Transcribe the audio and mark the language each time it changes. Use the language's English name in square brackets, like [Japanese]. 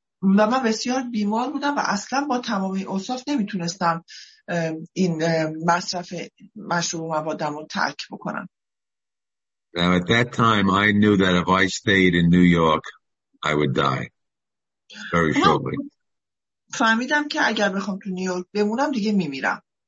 [Persian] و من بسیار بیمار بودم و اصلا با تمام این اوصاف نمیتونستم این مصرف مشروب و موادم رو ترک بکنم. [English] Now at that time I knew that if I stayed in New York I would die. Very shortly. [Persian] فهمیدم که اگر بخوام تو نیویورک بمونم دیگه میمیرم.